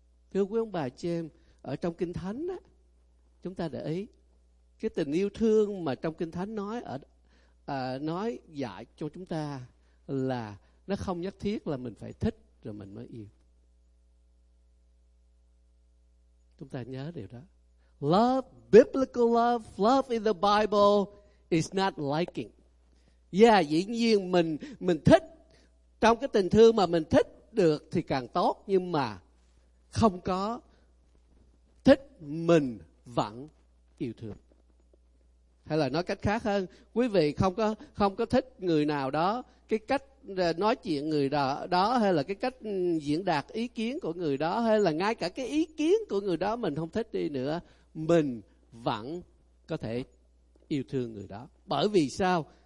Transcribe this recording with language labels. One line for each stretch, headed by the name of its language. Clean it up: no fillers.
Vietnamese: Thưa quý ông bà chị em, ở trong Kinh Thánh á, chúng ta để ý cái tình yêu thương mà trong Kinh Thánh nói nói dạy cho chúng ta là nó không nhất thiết là mình phải thích rồi mình mới yêu. Chúng ta nhớ điều đó.
English: Love, biblical love in the Bible is not liking.
Vietnamese: Yeah, dĩ nhiên mình thích, trong cái tình thương mà mình thích được thì càng tốt, nhưng mà không có thích mình vẫn yêu thương. Hay là nói cách khác hơn, quý vị không có thích người nào đó, cái cách nói chuyện người đó hay là cái cách diễn đạt ý kiến của người đó, hay là ngay cả cái ý kiến của người đó mình không thích đi nữa, mình vẫn có thể yêu thương người đó. Bởi vì sao?